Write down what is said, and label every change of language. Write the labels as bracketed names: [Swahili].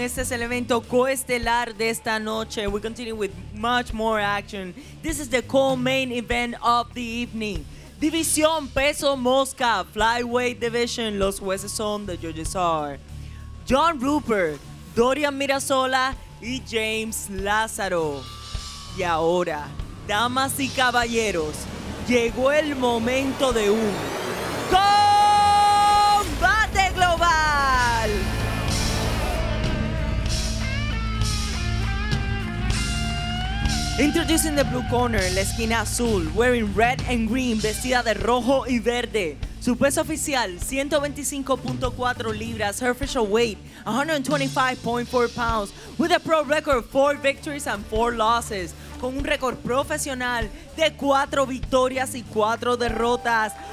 [Spanish] Este es el evento coestelar de esta noche. [English] We continue with much more action. This is the co-main event of the evening. [Spanish] División Peso Mosca, [English] Flyweight Division. [Spanish] Los jueces son, [English] the judges are [Spanish] John Rupert, Dorian Mirasola, y James Lázaro. Y ahora, damas y caballeros, llegó el momento de un combate global. [English] Introducing the blue corner, [Spanish] la esquina azul, [English] wearing red and green, [Spanish] vestida de rojo y verde. Su peso oficial, 125.4 libras. [English] Her official weight, 125.4 pounds. With a pro record of 4 victories and 4 losses. [Spanish] Con un récord profesional de 4 victorias y 4 derrotas.